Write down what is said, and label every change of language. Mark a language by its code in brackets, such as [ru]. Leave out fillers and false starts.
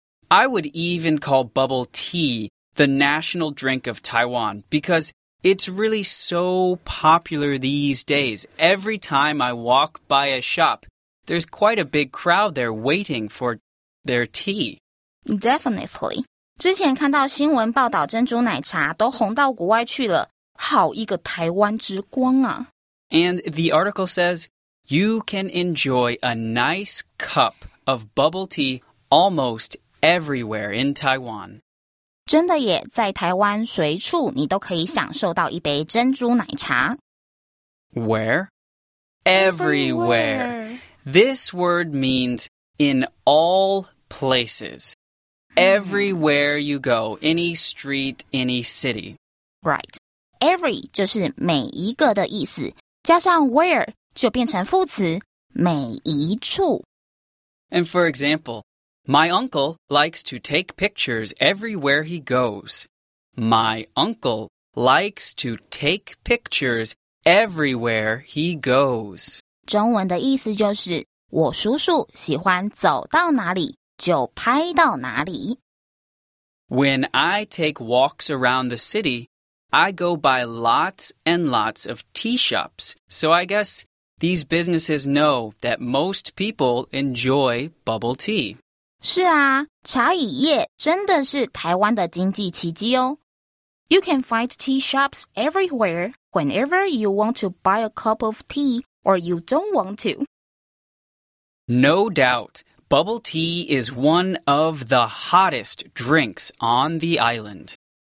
[en] I would even call bubble tea the national drink of Taiwan because it's really so popular these days. Every time I walk by a shop, there's quite a big crowd there waiting for their tea. Definitely. [zh] 之前看到新闻报道珍珠奶茶都红到国外去了，好一个台湾之光啊。 [en] And the article says, you can enjoy a nice cup of bubble tea almost everywhere in Taiwan. [zh] 真的耶，在台湾随处你都可以享受到一杯珍珠奶茶。 [en] Where? Everywhere. This word means in all places. Everywhere you go, any street, any city. [zh] Right. Every 就是每一个的意思，加上 where 就变成副词，每一处。 [en] And for example, my uncle likes to take pictures everywhere he goes. My uncle likes to take pictures everywhere he goes. [zh] 中文的意思就是，我叔叔喜欢走到哪里就拍到哪里。 [en] When I take walks around the city, I go by lots and lots of tea shops. So I guess these businesses know that most people enjoy bubble tea. [zh] 是啊，茶饮业真的是台湾的经济奇迹哦。 [en] You can find tea shops everywhere whenever you want to buy a cup of tea or you don't want to. No doubt. Bubble tea is one of the hottest drinks on the island.